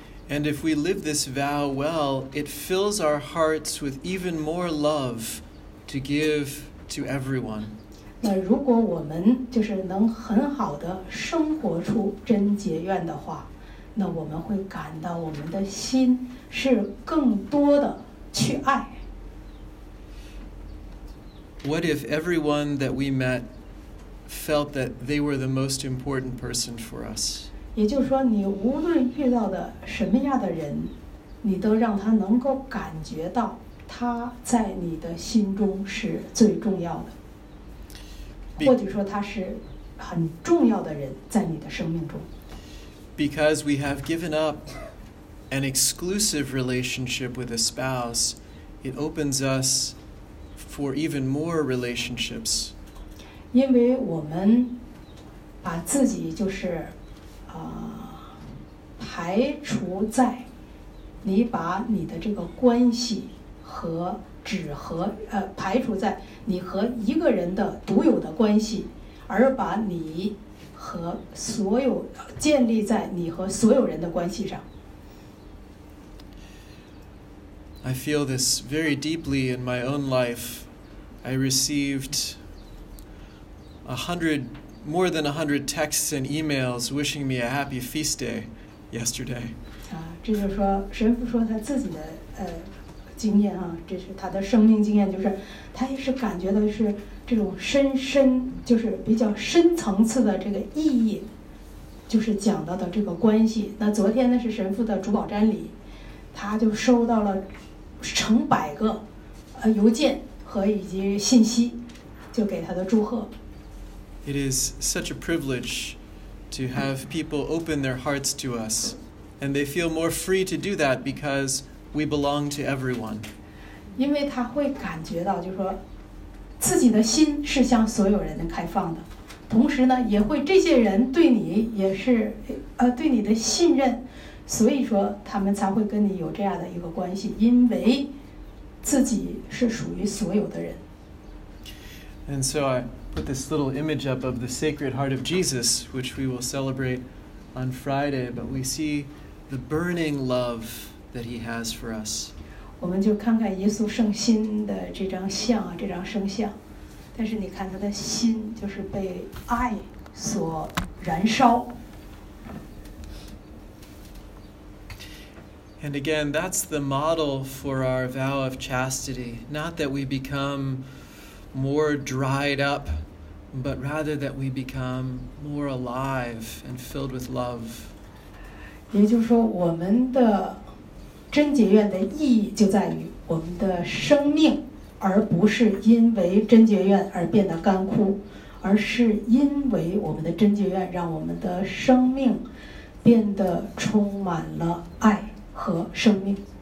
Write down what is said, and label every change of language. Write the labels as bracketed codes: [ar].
[en] And if we live this vow well, it fills our hearts with even more love to give to everyone. [zh] 那如果我们就是能很好的生活出贞洁愿的话，那我们会感到我们的心是更多的去爱。 [en] What if everyone that we met felt that they were the most important person for us? [zh] 也就是说你无论遇到的什么样的人你都让他能够感觉到他在你的心中是最重要的或者说他是很重要的人在你的生命中 [en] Because we have given up an exclusive relationship with a spouse it opens us for even more relationships [zh] 因为我们把自己就是排除在你把你的这个关系和只和排除在你和一个人的独有的关系而把你和所有建立在你和所有人的关系上 [en] I feel this very deeply in my own life I received 100 more than 100 texts and emails wishing me a happy feast day yesterday. [zh] 这就是说神父说他自己的经验啊，这是他的生命经验，就是他也是感觉到是这种深就是比较深层次的这个意义，就是讲到的这个关系。那昨天呢是神父的主保瞻礼，他就收到了成百个邮件和以及信息，就给他的祝贺。 [en] It is such a privilege to have people open their hearts to us, and they feel more free to do that because we belong to everyone. [zh] 因为他会感觉到，就是说自己的心是向所有人开放的，同时呢，也会这些人对你也是对你的信任，所以说他们才会跟你有这样的一个关系，因为自己是属于所有的人。 [en] And so I put this little image up of the Sacred Heart of Jesus, which we will celebrate on Friday, but we see the burning love that he has for us. [zh] 我们就看看耶稣圣心的这张像，这张圣像。但是你看他的心就是被爱所燃烧。 [en] And again, that's the model for our vow of chastity. Not that we become more dried up, but rather that we become more alive and filled with love. [zh] 也就是说我们的贞洁愿的意义就在于我们的生命，而不是因为贞洁愿而变得干枯，而是因为我们的贞洁愿让我们的生命变得充满了爱和生命。